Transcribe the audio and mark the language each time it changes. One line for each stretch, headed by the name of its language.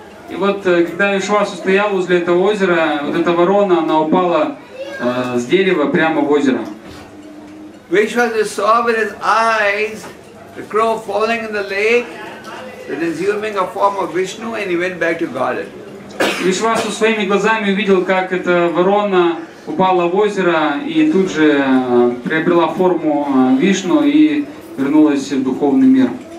Russian: И вот когда Вишвасу стоял возле этого озера, вот эта ворона, она упала с дерева прямо в озеро.
English: Вишвасу saw with his eyes the crow falling in the lake, that assuming a form of Vishnu and he went back to Garden.
Russian: Вишвасу своими глазами увидел, как эта ворона упала в озеро и тут же приобрела форму Вишну и вернулась в духовный мир.